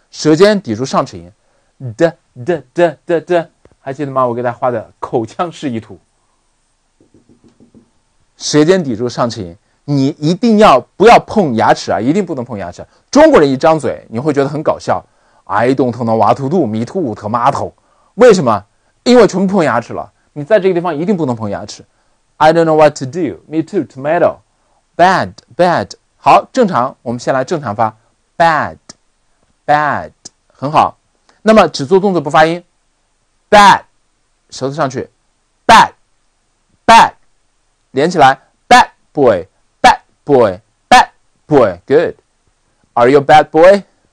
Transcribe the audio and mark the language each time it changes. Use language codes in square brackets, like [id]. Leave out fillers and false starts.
[zh] 舌尖抵住上齿龈，的的的的的，还记得吗？我给大家画的口腔示意图，舌尖抵住上齿龈，你一定要不要碰牙齿啊，一定不能碰牙齿。中国人一张嘴，你会觉得很搞笑。 [en] I don't know what to do, me too, to my toe. [zh] 为什么？因为全部碰牙齿了。你在这个地方一定不能碰牙齿。 [en] I don't know what to do, me too, tomato. Bad, bad. [zh] 好，正常，我们先来正常发。 [en] Bad, bad. [zh] 很好。那么只做动作不发音。 Bad, 舌头上去。 [en] Bad, bad. [zh] 连起来。 [en] Bad boy, bad boy, bad boy. Good. Are you a bad boy?